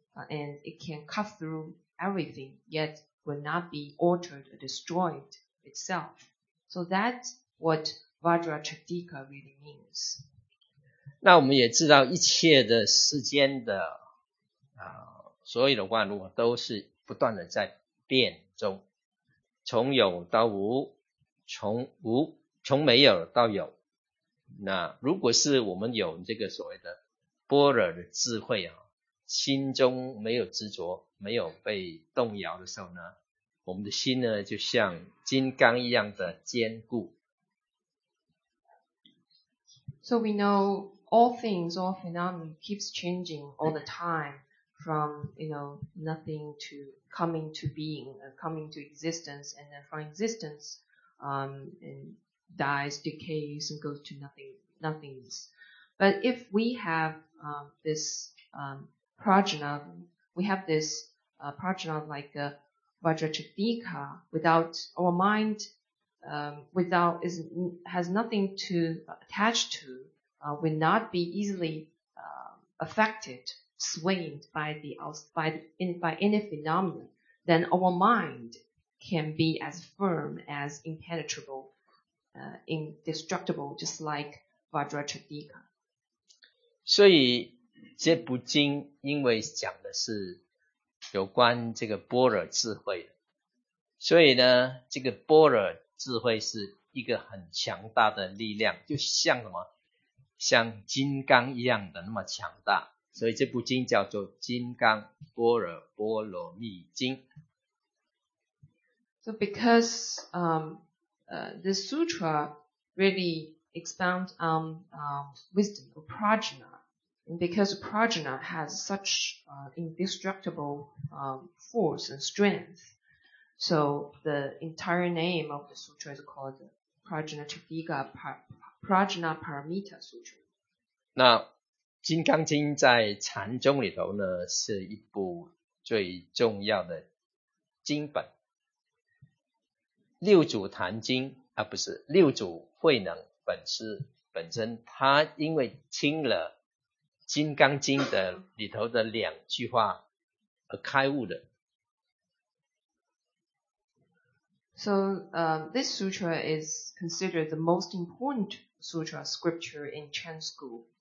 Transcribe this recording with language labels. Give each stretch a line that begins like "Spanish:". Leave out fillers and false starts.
English: And it can cut through everything, yet will not be altered or destroyed itself. So that's what Vajra Tridika really means.
Chinese: 那我们也知道一切的世间的所有的万物都是不断的在变中，从有到无，从没有到有。那如果是我们有这个所谓的般若的智慧啊，心中没有执着，没有被动摇的时候呢，我们的心呢就像金刚一样的坚固。
English: So we know all things, all phenomena keeps changing all the time. From, you know, nothing to coming to being, coming to existence, and then from existence, and dies, decays, and goes to nothingness. But if we have this prajna, we have this prajna like a Vajra Tridika, without our mind, has nothing to attach to, will not be easily affected. Swayed by any phenomenon, then our mind can be as firm, as impenetrable, indestructible, just like Vajra Tridika.
Chinese: 所以这部经因为讲的是有关这个般若智慧，所以呢，这个般若智慧是一个很强大的力量，就像什么，像金刚一样的那么强大。所以这部经叫做《金刚般若波罗蜜经》。
English: So because the sutra really expounds on wisdom or prajna, and because prajna has such indestructible force and strength, so the entire name of the sutra is called Prajna Tridika Prajna Paramita Sutra. Now.
Chinese: 《金刚经》在禅宗里头呢，是一部最重要的经本。六祖坛经啊，不是六祖慧能本师本身，他因为听了《金刚经》的里头的两句话而开悟的。
English: So, this sutra is considered the most important sutra scripture in Chan school.